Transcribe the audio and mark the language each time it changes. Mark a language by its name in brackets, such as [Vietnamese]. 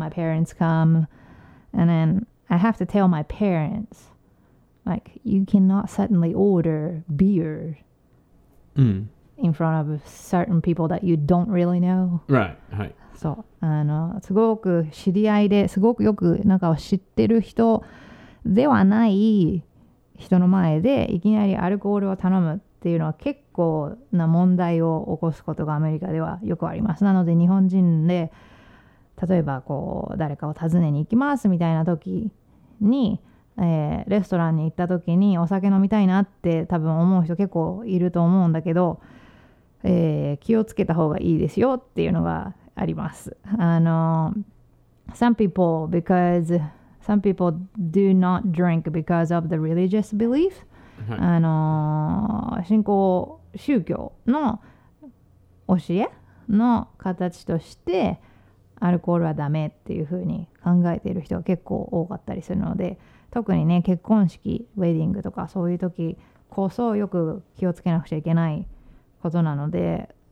[English] and、はい、my parents come and then I have to tell my parents like you cannot suddenly order beer、 [Japanese] うん、 [English] in front of certain people that you don't really know、 right、 はい、 [Japanese] そう、すごく知り合いですごくよくなんか知ってる人ではない人の前でいきなりアルコールを頼むっていうのは結構な問題を起こすことがアメリカではよくあります。なので日本人で例えばこう誰かを訪ねに行きますみたいな時に、レストランに行った時にお酒飲みたいなって多分思う人結構いると思うんだけど、気をつけた方がいいですよっていうのがあります。 [English] Some people because some people do not drink because of the religious belief、 [Japanese] はい、信仰宗教の教えの形としてアルコールはダメっていう風に考えている人が結構多かったりするので、特にね結婚式ウェディングとかそういう時こそよく気をつけなくちゃいけないことなので、